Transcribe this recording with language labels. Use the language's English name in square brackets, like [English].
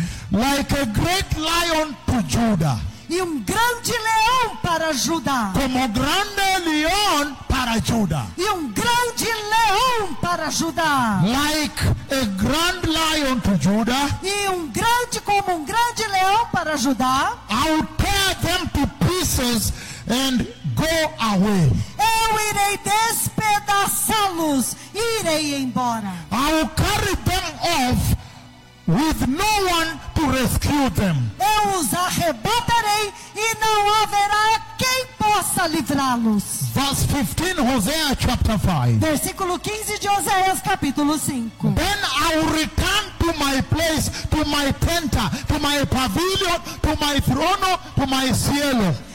[English] Like a great lion to Judah. [Portuguese] E um grande leão para Judá. Como grande leão para Judá. E um grande leão para Judá. [English] Like a grand lion to Judah. [Portuguese] E um grande como um grande leão para Judá. [English] I'll tear them to pieces and go away. [Portuguese] Eu irei despedaçá-los, irei embora. [English] I'll carry them off with no one to rescue them. [Portuguese] Eu os arrebatarei e não haverá quem possa livrá-los. [English] Verse 15, Hosea chapter 5. [Portuguese] Versículo 15 de Oséias capítulo 5. [English] Then I will return to my place, to my tent, to my pavilion, to my throne, to my cielo.